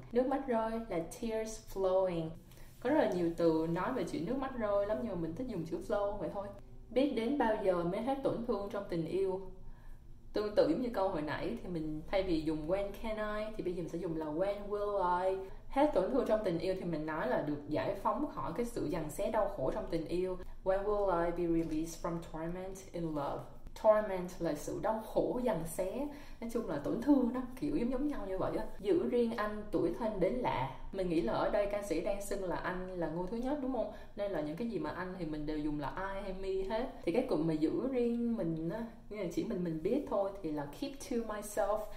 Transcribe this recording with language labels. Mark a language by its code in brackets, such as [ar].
[vi] Nước mắt rơi là [en] tears flowing. [vi] Có rất là nhiều từ nói về chuyện nước mắt rơi lắm nhưng mà mình thích dùng chữ flow vậy thôi. Biết đến bao giờ mới hết tổn thương trong tình yêu. Tương tự giống như câu hồi nãy thì mình thay vì dùng [en] when can I [vi] thì bây giờ mình sẽ dùng là [en] when will I. [vi] Hết tổn thương trong tình yêu thì mình nói là được giải phóng khỏi cái sự giằng xé đau khổ trong tình yêu. [en] When will I be released from torment in love? [vi] Torment là sự đau khổ giằng xé, nói chung là tổn thương đó, kiểu giống giống nhau như vậy á. Giữ riêng anh tuổi thân đến lạ. Mình nghĩ là ở đây ca sĩ đang xưng là anh là ngôi thứ nhất đúng không? Nên là những cái gì mà anh thì mình đều dùng là I hay me hết. Thì cái cụm mà giữ riêng mình á, nghĩa là chỉ mình biết thôi thì là [en] keep to myself.